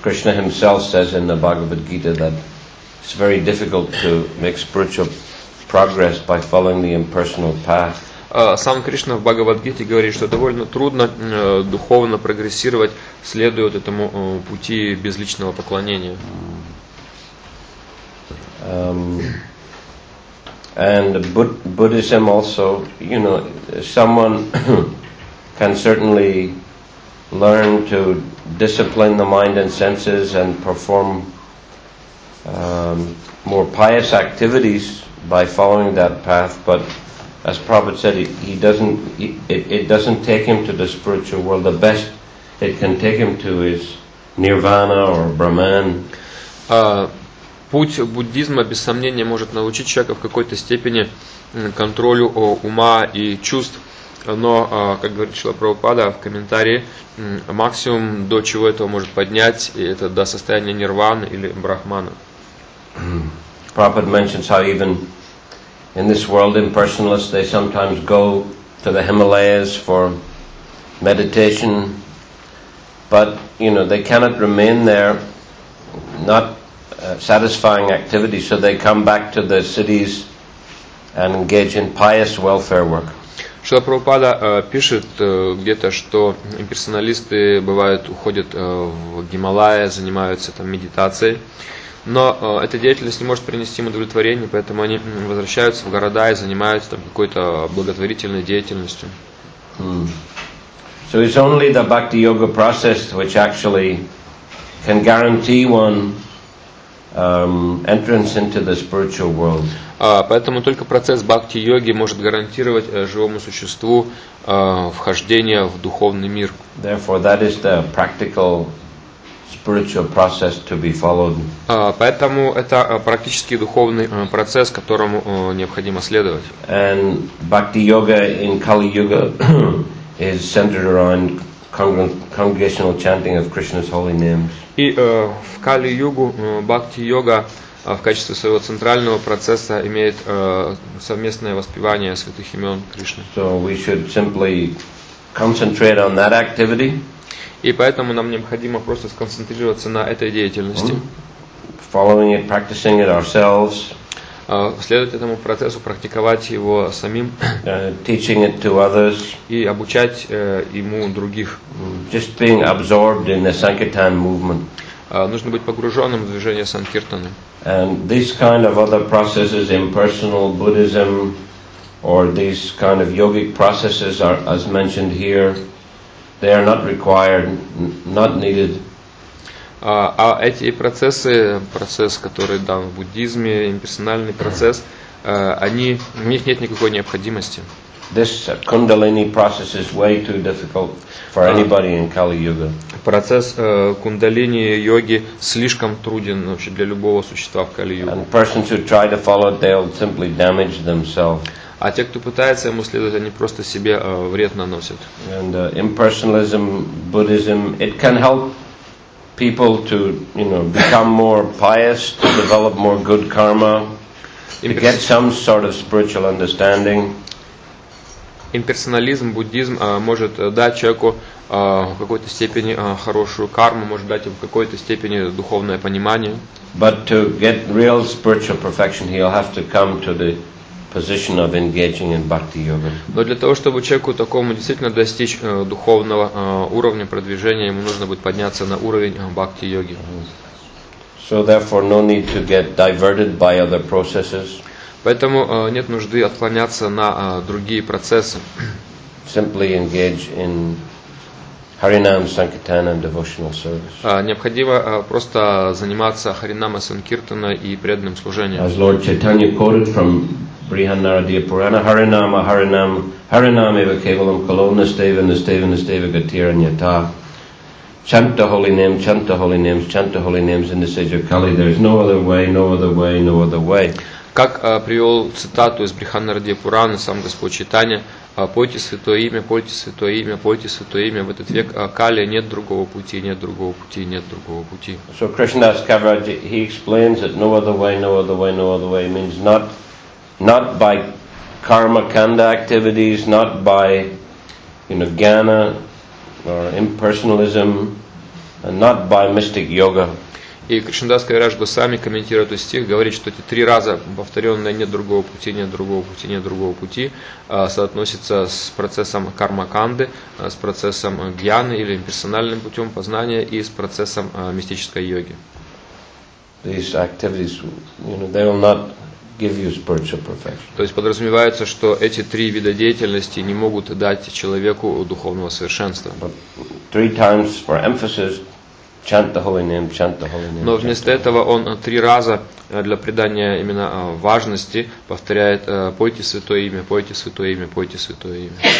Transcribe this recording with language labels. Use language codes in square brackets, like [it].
[en] Krishna himself says in the Bhagavad Gita that it's very difficult to make spiritual progress by following the impersonal path. [ru] Сам Кришна в Бхагавад-гите говорит, что довольно трудно духовно прогрессировать, следуя вот этому пути без личного поклонения. [en] And Buddhism also, you know, someone can certainly learn to discipline the mind and senses and perform more pious activities by following that path. But as Prabhupada said, it doesn't take him to the spiritual world. The best it can take him to is Nirvana or Brahman. [ru] Путь буддизма, без сомнения, может научить человека в какой-то степени контролю ума и чувств, но, как говорит Шрила Прабхупада в комментарии, максимум, до чего этого может поднять, это до состояния нирваны или брахмана. [en] Prabhupada mentions how even in this world, impersonalists, they sometimes go to the Himalayas for meditation, but you know they cannot remain there, not satisfying activity, so they come back to the cities and engage in pious welfare work. [ru] Шрила Прабхупада пишет где-то, что имперсоналисты бывают уходят в Гималаи, занимаются там медитацией, но эта деятельность не может принести им удовлетворение, поэтому они возвращаются в города и занимаются там какой-то благотворительной деятельностью. [en] So it's only the bhakti yoga process which actually can guarantee one entrance into the spiritual world. [ru] Поэтому только процесс бхакти йоги может гарантировать живому существу вхождение в духовный мир. [en] Therefore, that is the practical spiritual process to be followed. [ru] Поэтому это практический духовный процесс, которому необходимо следовать. [en] And bhakti yoga in Kali Yuga is centered around congregational chanting of Krishna's holy names. [ru] И в Кали-йогу бхакти-йога в качестве своего центрального процесса имеет совместное воспевание святых имен Кришны. [en] So we should simply concentrate on that activity. [ru] И поэтому нам необходимо просто сконцентрироваться на этой деятельности. [en] Following it, practicing it ourselves. [ru] Следовать этому процессу, практиковать его самим, [en] teaching it to others, [ru] и обучать ему других. [en] Just being absorbed in the Sankirtan movement. [ru] Нужно быть погруженным в движение Санкиртаны. [en] And these kind of other processes, impersonal Buddhism, or these kind of yogic processes, are, as mentioned here, they are not required, not needed. [ru] А эти процессы, процесс, который дан в буддизме, имперсональный процесс, они, в них нет никакой необходимости. [en] This kundalini process is way too difficult for anybody in Kali Yuga. [ru] Процесс кундалини йоги слишком труден вообще для любого существа в Кали Юге. [en] And persons who try to follow it, they'll simply damage themselves. [ru] А те, кто пытается ему следовать, они просто себе вред наносят. [en] And impersonalism, Buddhism, it can help people to, you know, become more pious, to develop more good karma, to get some sort of spiritual understanding. [ru] Имперсонализм, буддизм может дать человеку в какой-то степени хорошую карму, может дать ему в какой-то степени духовное понимание. [en] But to get real spiritual perfection, he'll have to come to the position of engaging in bhakti yoga. [ru] Но для того, чтобы человеку такому действительно достичь духовного уровня продвижения, ему нужно будет подняться на уровень бхакти йоги. [en] So therefore, no need to get diverted by other processes. [ru] Поэтому нет нужды отклоняться на другие процессы. [en] Simply engage in Харинам Санкиртана and devotional service. [ru] Необходимо просто заниматься Харинама Санкиртана и преданным служением. [en] As Lord Chaitanya quoted from Brihannaradiya Purana, [sa] Harinam, Harinam, Harinam eva kevalam kalona steva nisteva nisteva gatira nyata. [en] Chant the holy name, chant the holy names, chant the holy names in this age of Kali. There is no other way, no other way, no other way. [ru] Как привел цитату из Бриханнарадия Пурана сам Господь Читания, пойте святое имя, пойте святое имя, пойте святое имя, в этот век Кали нет другого пути, нет другого пути, нет другого пути. [en] So Krishnadas Kaviraj, he explains that no other way, no other way, no other way means not by karma kanda activities, not by, you know, jnana or impersonalism, and not by mystic yoga. [ru] И Кришнадас Кавираж Госвами комментирует этот стих, говорит, что эти три раза повторенные «нет другого пути, нет другого пути, нет другого пути» соотносятся с процессом карма-канды, с процессом гьяны или имперсональным путем познания и с процессом мистической йоги. [en] These activities, you know, they will not give you spiritual perfection. [ru] То есть подразумевается, что эти три вида деятельности не могут дать человеку духовного совершенства. [en] But three times for emphasis, chant the holy name, chant the holy name. [ru] Но вместо этого он три раза для придания именно важности повторяет «пойте святое имя, пойте святое имя, пойте святое имя».